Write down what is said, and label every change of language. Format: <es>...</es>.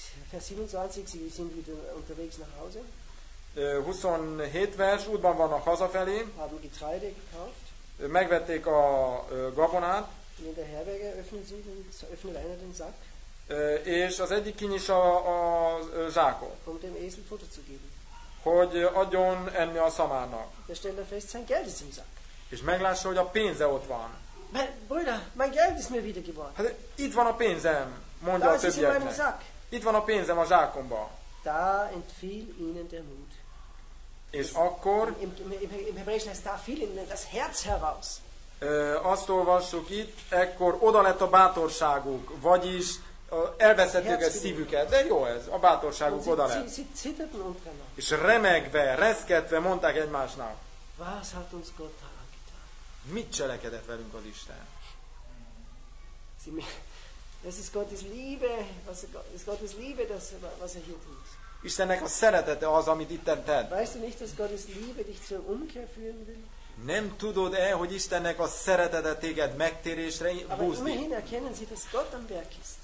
<de>Vers 27, sie sind wieder unterwegs nach Hause.</de> <hu>27 vers, útban vannak hazafelé.</hu> <de>Haben Getreide gekauft.</de> <hu>Megvették a gabonát.</hu> <de>In der Herberge öffnet einer den Sack.</de> <hu>És az egyik kinyis a zsákot.</hu> <de>Um dem Esel Futter zu geben.</de> <hu>Hogy adjon enni a szamárnak.</hu> <de>Der stellt fest, sein Geld ist im Sack.</de> <hu>És meglássa, hogy a pénze ott van.</hu> <de>Brüder, mein Geld ist mir wieder geworden.</de> <hu>Hát, itt van a pénzem, mondja</hu> <de>da,</de> <hu>a többieknek. Itt van a pénzem a zsákomba.</hu> <de>Da entfiel ihnen der Mut.</de> <hu>És akkor</hu> <de>im Hebräischen heißt da fiel ihnen das Herz heraus.</de> <hu>Azt olvassuk itt, ekkor oda lett a bátorságuk, vagyis elveszették a szívüket. De jó ez, a bátorságuk oda lett. És remegve, reszketve mondták egymásnak.</hu> <de>Was hat uns Gott da getan?</de> <hu>Mit cselekedett velünk az Isten?</hu> <de>Das ist Gottes Liebe, was er hier tut.</de> <hu>Istennek a szeretete az, amit itten tett.</hu> <de>Weißt du nicht, dass Gottes Liebe dich zur Umkehr führen will?</de> <hu>Nem tudod-e, hogy Istennek a szeretete téged megtérésre húzni?</hu> <de>Aber immerhin erkennen sie, dass Gott am Berg ist.</de>